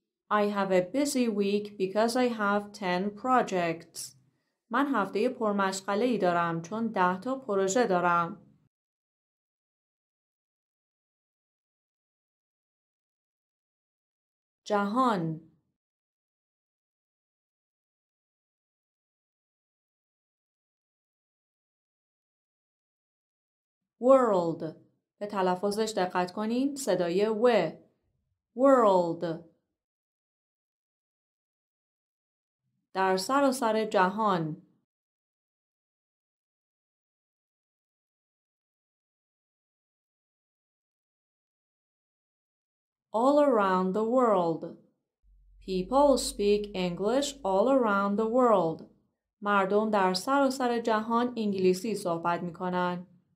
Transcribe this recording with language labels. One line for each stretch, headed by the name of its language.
English: I have a busy week because I have 10 projects.
Persian: من هفته پرمشغله ای دارم چون 10 تا پروژه دارم. جهان World به تلفظش دقت کنین صدای و
English: World
Persian: در سراسر جهان
English: All around the world People speak English all around the world
Persian: مردم در سراسر جهان انگلیسی صحبت می کنن.